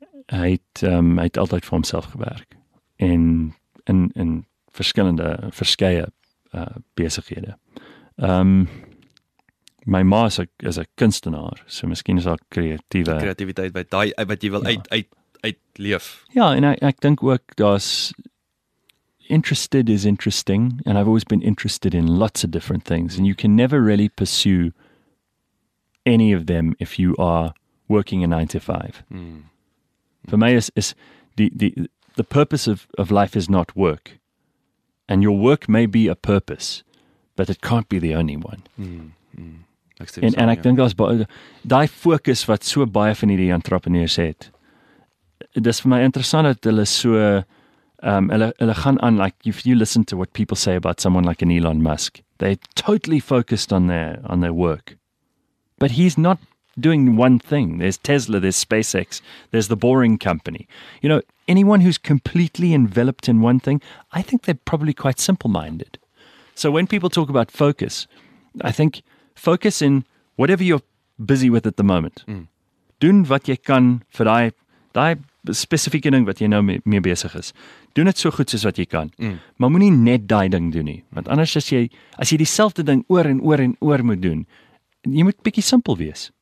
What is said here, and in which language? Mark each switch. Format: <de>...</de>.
<af>Hy het altyd vir homself gewerk. En in verskeie besighede. My ma is 'n kunstenaar, so miskien is daar kreatiwiteit wat jy wil uitleef. Ja, en ek dink ook daar's</af> <en>interested is interesting and I've always been interested in lots of different things and you can never really pursue any of them if you are working a 9-to-5. Mm. For my is the purpose of life is not work. And your work may be a purpose, but it can't be the only one. And I think that's</en> <af>die focus wat so baie van die entrepreneurs het. Dis vir my interessant dat hulle so hulle gaan aan,</af> <en>like if you listen to what people say about someone like an Elon Musk, they're totally focused on their work. But he's not doing one thing. There's Tesla, there's SpaceX, there's the Boring Company. You know, anyone who's completely enveloped in one thing, I think they're probably quite simple-minded. So when people talk about focus, I think focus in whatever you're busy with at the moment.</en> <af>Doen wat jy kan vir die specifieke ding wat jy nou mee besig is. Doen het so goed soos wat jy kan. Maar moet nie net die ding doen nie. Want anders as jy dieselfde ding oor en oor en oor moet doen, jy moet bietjie simpel wees.</af>